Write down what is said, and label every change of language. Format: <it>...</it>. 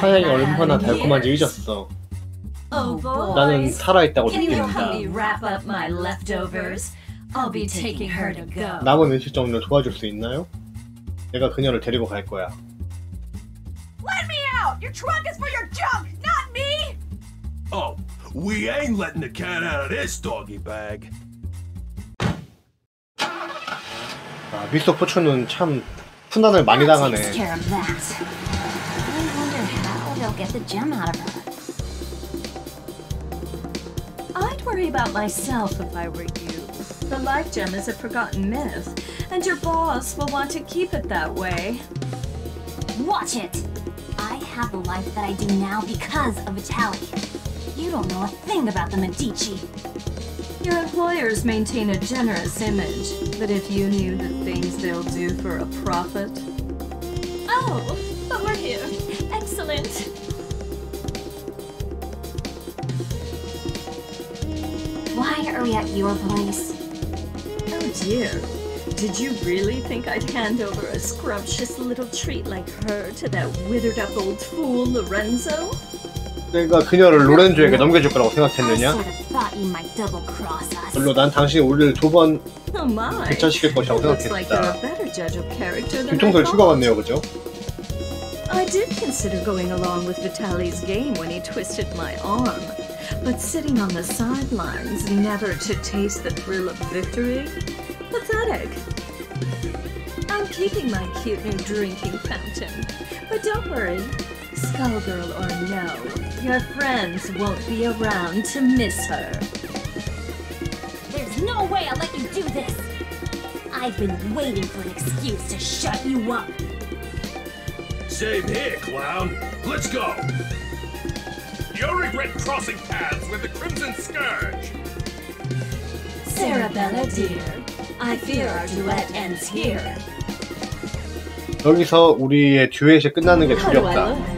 <ko>사냥이 얼마나 달콤한지 잊었어.</ko> <en>Oh boy.</en> <ko>나는 살아있다고 느낀다.</ko> <en>Can you help me wrap up my leftovers? I'll be taking her to go.</en> <ko>남은 음식 정리를 도와줄 수 있나요? 내가 그녀를 데리고 갈 거야.</ko> <en>Let me out! Your trunk is for your junk, not me! Oh, we ain't letting the cat out of this doggy bag.</en> <ko>아, 미스터 포춘은 참 훈단을 많이 당하네.</ko> <en>I wonder how they'll get the gem out of her. I'd worry about myself if I were you. The life gem is a forgotten myth, and your boss will want to keep it that way. Watch it! I have the life that I do now because of Vitaly. You don't know a thing about the Medici. Your employers maintain a generous image, but if you knew the things they'll do for a profit... Oh, but we're here. Excellent. Why are we at your place? Oh dear. Did you really think I'd hand over a scrumptious little treat like her to that withered up old fool Lorenzo?</en> <ko>내가 그녀를 로렌조에게 넘겨줄 거라고 생각했느냐? 물론 난 당신이 우리를 두 번 대처시킬 것이라고 생각했다. 뒤통수를 치고 왔네요, 그죠?</ko> <en>I did consider going along with Vitaly's game when he twisted my arm. But sitting on the sidelines, never to taste the thrill of victory? Pathetic. I'm keeping my cute new drinking fountain. But don't worry. Skullgirl or no, your friends won't be around to miss her. There's no way I'll let you do this! I've been waiting for an excuse to shut you up! Same here, clown. Let's go! You'll regret crossing paths with the Crimson Scourge! Sarabella dear, I fear our duet ends here.</en> <ko>여기서 우리의 듀엣이 끝나는 게 두렵다.</ko>